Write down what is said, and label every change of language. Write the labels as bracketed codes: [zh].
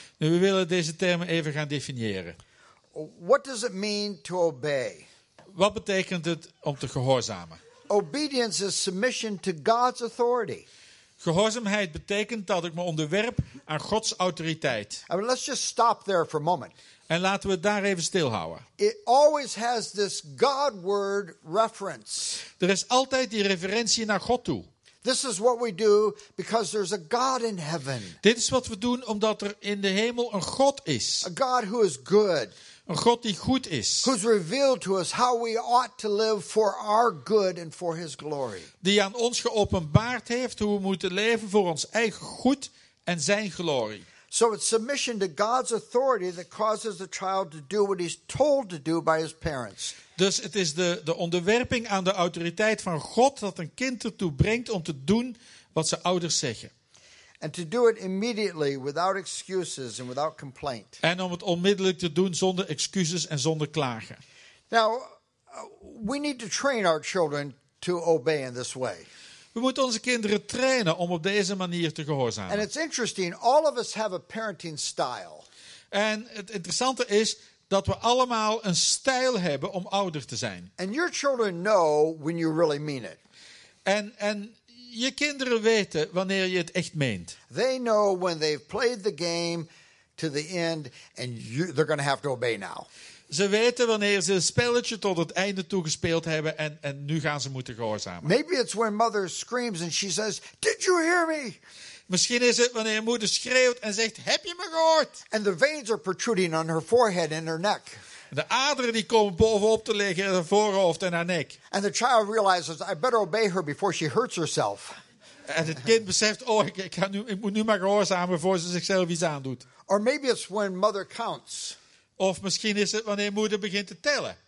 [nl] Nu, we willen deze termen even gaan definiëren. [en] What does it mean to obey? [nl] Wat betekent het om te gehoorzamen? [en] Obedience is submission to God's authority. [nl] Gehoorzaamheid betekent dat ik me onderwerp aan Gods autoriteit. [en] I mean, let's just stop there for a moment. [nl] En laten we het daar even stilhouden. [en] It always has this God word reference. [nl] Er is altijd die referentie naar God toe. [en] This is what we do because there's a God in heaven. [nl] Dit is wat we doen omdat er in de hemel een God is. [en] A God who is good. [nl] Een God die goed is. [en] Who's revealed to us how we ought to live for our good and for his glory. [nl] Die aan ons geopenbaard heeft hoe we moeten leven voor ons eigen goed en zijn glorie. [en] So it's submission to God's authority that causes the child to do what he's told to do by his parents. [nl] Dus het is de onderwerping aan de autoriteit van God dat een kind ertoe brengt om te doen wat zijn ouders zeggen. [en] And to do it immediately without excuses and without complaint. [nl] En om het onmiddellijk te doen zonder excuses en zonder klagen. [en] Now, we need to train our children to obey in this way. [nl] We moeten onze kinderen trainen om op deze manier te gehoorzamen. [en] And it's interesting, all of us have a parenting style. [nl] En het interessante is dat we allemaal een stijl hebben om ouder te zijn. [en] And your children know when you really mean it. [nl] En je kinderen weten wanneer je het echt meent. [en] They know when they've played the game to the end and they're going to have to obey now. [nl] Ze weten wanneer ze het spelletje tot het einde toe gespeeld hebben en nu gaan ze moeten gehoorzamen. [en] Maybe it's when mother screams and she says, "Did you hear me?" [nl] Misschien is het wanneer moeder schreeuwt en zegt, "Heb je me gehoord?" [en] And the veins are protruding on her forehead and her neck. [nl] De aderen die komen bovenop te liggen in haar voorhoofd en haar nek. [en] And the child realizes, I better obey her before she hurts herself. [nl] En het kind beseft, oh, ik moet nu maar gehoorzamen voor ze zichzelf iets aandoet. [en] Or maybe it's when mother counts. [nl] Of misschien is het wanneer moeder begint te tellen.